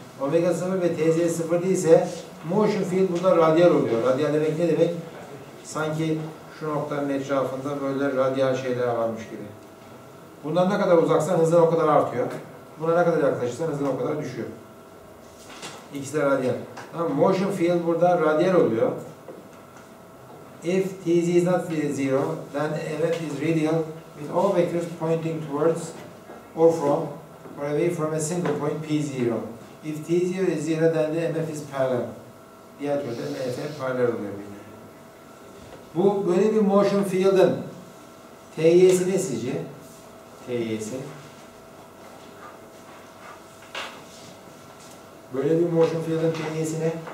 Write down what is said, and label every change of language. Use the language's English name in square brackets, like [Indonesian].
[Turkish] Omega 0 ve tz 0 değilse motion field burada radyal oluyor. Radyal demek ne demek? Sanki şu noktanın etrafında böyle radyal şeyler varmış gibi. Bundan ne kadar uzaksan hızın o kadar artıyor. Buna ne kadar yaklaşırsan hızın o kadar düşüyor. İkisi de radyal. Tamam, motion field burada radyal oluyor. [English] If tz is not 0, then mf is radial. With all vectors pointing towards or from or away from a single point P0. If T0 is 0 then the MF is parallel. [Turkish] Diğer türlü MF parallel oluyor. Bu böyle bir motion field'ın TY'si ne sizce? TY'si. Böyle bir motion field'ın TY'si ne?